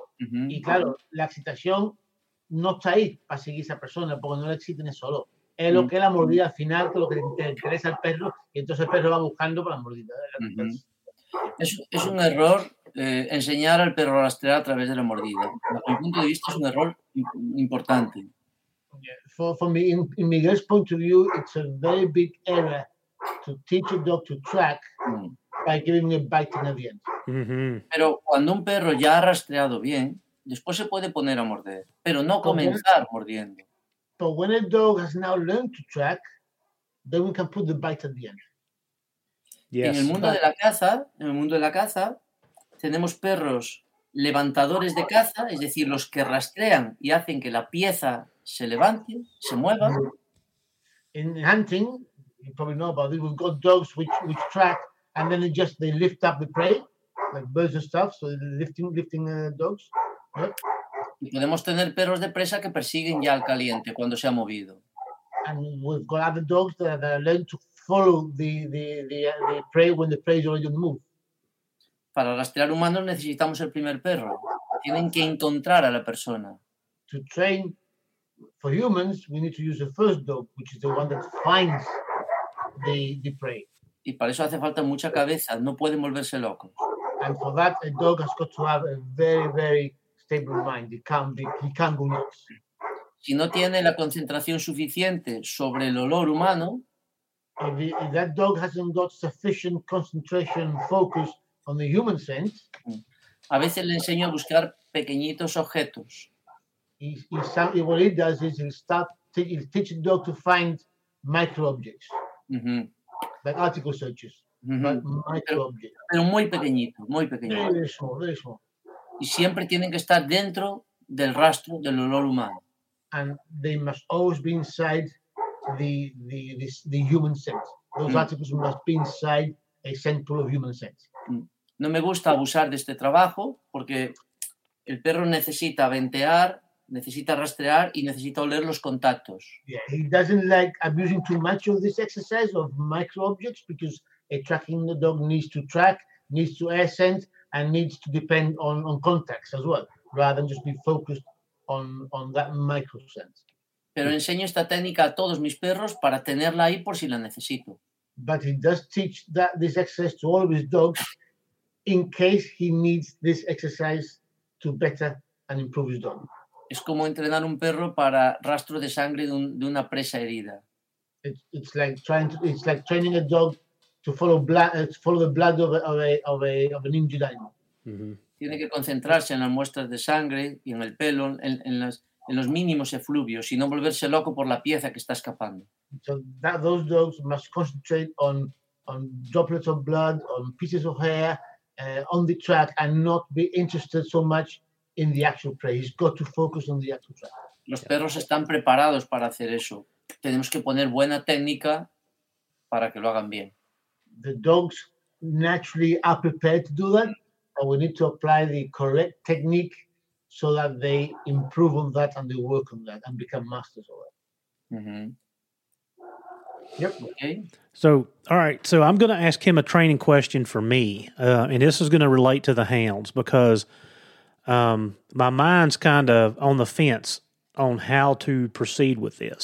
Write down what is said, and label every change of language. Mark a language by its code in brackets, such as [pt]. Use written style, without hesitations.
[es] Y claro, la excitación no está ahí para seguir esa persona, porque no le existe en el solo. Es lo que es la mordida al final, que es lo que le interesa al perro, y entonces el perro va buscando para la mordida. Es un error enseñar al perro a rastrear a través de la mordida. Desde mi punto de vista, es un error importante. [en] Yeah. For me, in Miguel's point of view, it's a very big error to teach a dog to track by giving a bite in the end. [es] Pero cuando un perro ya ha rastreado bien, después se puede poner a morder, pero no comenzar mordiendo. [en] But when a dog has now learned to track, then we can put the bite at the end. Yes. [es] En el mundo de la caza, tenemos perros levantadores de caza, es decir, los que rastrean y hacen que la pieza se levante, se mueva. [en] In hunting, you probably know about it, we've got dogs which track and then they lift up the prey, like birds and stuff, so lifting dogs. [es] Y podemos tener perros de presa que persiguen ya al caliente cuando se ha movido. [en] And we've got other dogs that learn to follow the prey when the prey is already on the move. [es] Para rastrear humanos necesitamos el primer perro. Tienen que encontrar a la persona. [en] To train for humans, we need to use the first dog, which is the one that finds the prey. [es] Y para eso hace falta mucha cabeza. No pueden volverse locos. [en] And for that, a dog has got to have a very, very stable mind. He can't go nuts. [es] Si no tiene la concentración suficiente sobre el olor humano, [en] if that dog hasn't got sufficient concentration and focus on the human scent, [es] a veces le enseño a buscar pequeñitos objetos. [en] What it does is he'll teach the dog to find micro objects, like article searches, micro objects. [es] Pero muy pequeñito, muy pequeñito. [en] Very small. [es] Y siempre tienen que estar dentro del rastro del olor humano. [en] And they must always be inside the human scent. Those articles must be inside a scent pool of human scent. [es] No me gusta abusar de este trabajo porque el perro necesita ventear, necesita rastrear y necesita oler los contactos. [en] Yeah, he doesn't like abusing too much of this exercise of micro objects because a tracking dog needs to track, needs to air scent, and needs to depend on contacts as well, rather than just be focused on that micro scent. [es] Pero enseño esta técnica a todos mis perros para tenerla ahí por si la necesito. [en] But he does teach that this exercise to all of his dogs in case he needs this exercise to better and improve his dog. [es] Es como entrenar un perro para rastro de sangre de una presa herida. [en] It's like training a dog to follow the blood of an injured animal. [es] Tiene que concentrarse en las muestras de sangre y en el pelo, en los mínimos efluvios, y no volverse loco por la pieza que está escapando. [en] So that those dogs must concentrate on droplets of blood, on pieces of hair, on the track, and not be interested so much in the actual prey. He's got to focus on the actual track. [es] Los perros están preparados para hacer eso. Tenemos que poner buena técnica para que lo hagan bien. [en] The dogs naturally are prepared to do that. We need to apply the correct technique so that they improve on that and they work on that and become masters of it. Mm-hmm. Yep. Okay. So, all right. So I'm going to ask him a training question for me. And this is going to relate to the hounds because my mind's kind of on the fence on how to proceed with this.